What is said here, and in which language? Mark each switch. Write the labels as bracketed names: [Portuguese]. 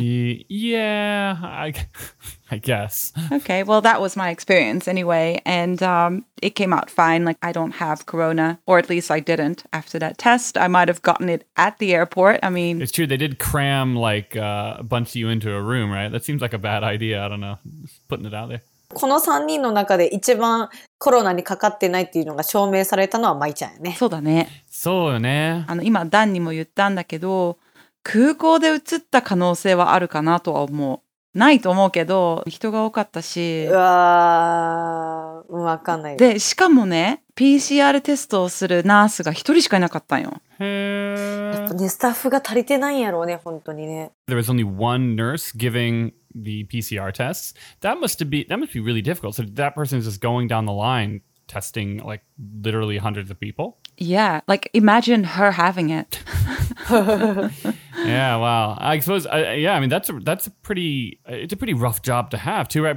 [English] Yeah, I guess. Okay, well, that was my experience anyway. And it came out fine. Like, I don't have corona, or at least I didn't after that test. I might have gotten it at the airport. I mean... It's true. They did cram, like, a bunch of you into a room, right? That seems like a bad idea. I don't know. Just putting it out there. [Japanese] この3人の中で一番コロナにかかってないっていうのが証明されたのはマイちゃんよね。そうだね。そうよね。あの、今、ダンにも言ったんだけど、空港で移った可能性はあるかなとは思う。ないと思うけど、人が多かったし。うわぁ、わかんない。で、しかもね、PCR テストをするナースが一人しかいなかったんよ。へぇー。やっぱね、スタッフが足りてないんやろうね、本当にね。 [English] There was only one nurse giving the PCR tests. That must be really difficult. So that person is just going down the line, testing like literally hundreds of people. Yeah, like imagine her having it. Yeah, wow. I suppose, that's a pretty rough job to have too, right?